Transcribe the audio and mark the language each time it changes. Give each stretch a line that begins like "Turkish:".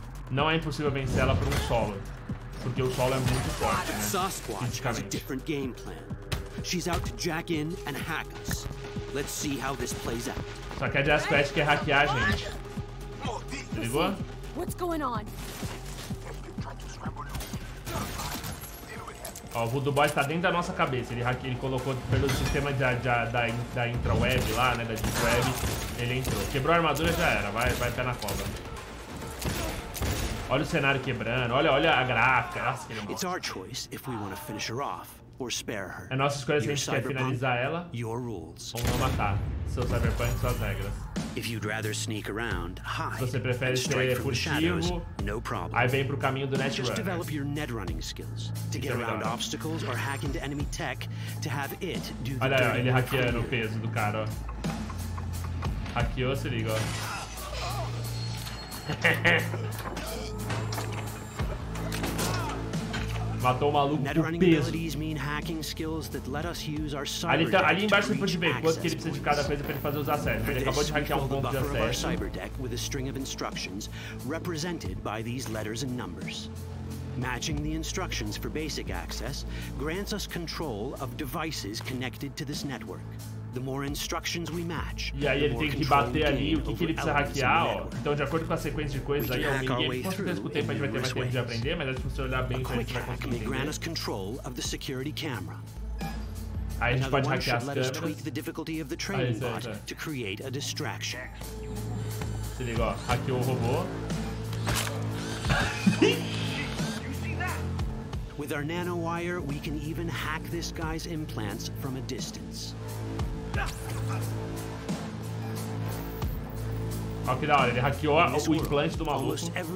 Portuguese: Não é impossível vencer ela por um solo. Porque o solo é muito forte, né? Sasquatch tem um diferente game plan.
English: She's out to jack in and hack us. Let's see how this plays out.
Portuguese: Só que a Jasquatch quer hackear a gente. Ligou?
English: What's going on?
Portuguese: Ó, o voodoo boy tá dentro da nossa cabeça. Ele colocou pelo sistema da intraweb lá, né? Da deep web. Ele entrou. Quebrou a armadura, já era. Vai pé na cova. Olha o cenário quebrando. Olha a gráfica. Nossa, que ele mostra.
English: It's our choice if we want to finish her off or spare her.
Portuguese: É nossa escolha se a gente quer finalizar ela ou não matar. Seu cyberpunk, suas regras.
English: If you'd rather sneak around, hide.
Portuguese: Se você prefere ser furtivo,
English: no problem.
Portuguese: Aí vem pro caminho do netrunner.
English: Just develop your netrunning skills to get around obstacles or hack into enemy tech to have it do the dirty work.
Portuguese: Ele hackeando o peso do cara, ó. Hackeou, se liga, ó. Matou o maluco com peso. Ali embaixo você pode ver quanto que ele precisa de cada coisa pra ele fazer os acessos. Ele acabou de hackear um ponto de acesso.
English: With a string of instructions represented by these letters and numbers. Matching the instructions for basic access grants us control of devices connected to this network. The more instructions we match,
Portuguese: e aí ele tem que bater ali o que ele precisa hackear, ó. Então, de acordo com a sequência de coisas aí, é um minigame. Com certeza que o tempo a gente vai ter mais tempo de aprender, mas acho que se você olhar bem, a gente vai conseguir entender. Aí a gente pode hackear as câmeras. Aí, isso aí. Se liga, ó. Hackeou o robô.
English: With our nanowire, we can even hack this guy's implants from a distance.
Portuguese: Olha que da hora, ele hackeou o implante do maluco.